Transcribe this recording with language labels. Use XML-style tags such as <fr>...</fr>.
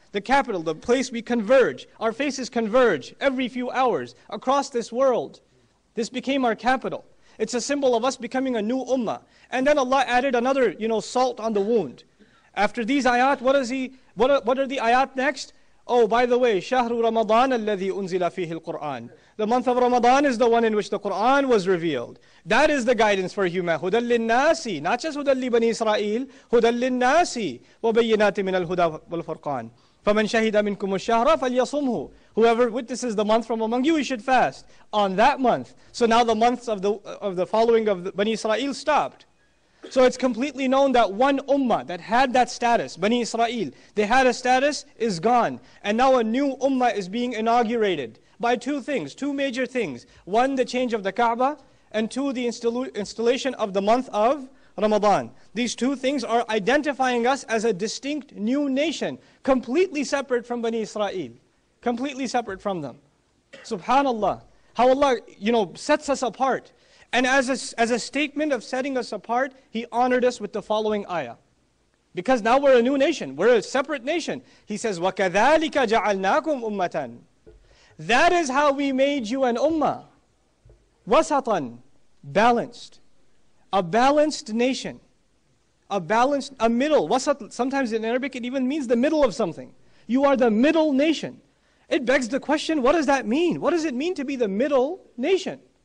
<en>The capital, the place we converge, our faces converge every few hours across this world. This became our capital. It's a symbol of us becoming a new Ummah. And then Allah added another, you know, salt on the wound. After these ayat, what are the ayat next? Oh, by the way,</en> <ar>شهر رمضان الذي أنزل فيه القرآن.</ar> <en>The month of Ramadan is the one in which the Quran was revealed. That is the guidance for human.</en> <ar>هُدَى لِلنَّاسِ.</ar> <en>Not just</en> <ar>هُدَى لِبَنِي إِسْرَائِيلِ. هُدَى لِلنَّاسِ وَبَيِّنَاتِ مِنَ الْهُدَى وَالْفُرْقَانِ. فَمَنْ شَهِدَ مِنْكُمُ الشَّهْرَ فَلْيَصُمْهُ.</ar> <en>Whoever witnesses the month from among you, he should fast on that month. So now the months of the following of the Bani Israel stopped. So it's completely known that one ummah that had that status, Bani Israel, they had a status, is gone. And now a new ummah is being inaugurated by two things, two major things. One, the change of the Kaaba, and two, the installation of the month of Ramadan. These two things are identifying us as a distinct new nation, completely separate from Bani Israel, completely separate from them. Subhanallah, how Allah, you know, sets us apart. And as a statement of setting us apart, He honored us with the following ayah. Because now we're a new nation, we're a separate nation. He says,</en> <ar>وَكَذَٰلِكَ جَعَلْنَاكُمْ أُمَّةً.</ar> <en>That is how we made you an ummah.</en> <ar>وَسَطًا.</ar> <en>Balanced. A balanced nation. A middle. Wasat, sometimes in Arabic it even means the middle of something. You are the middle nation. It begs the question, what does that mean? What does it mean to be the middle nation?</en>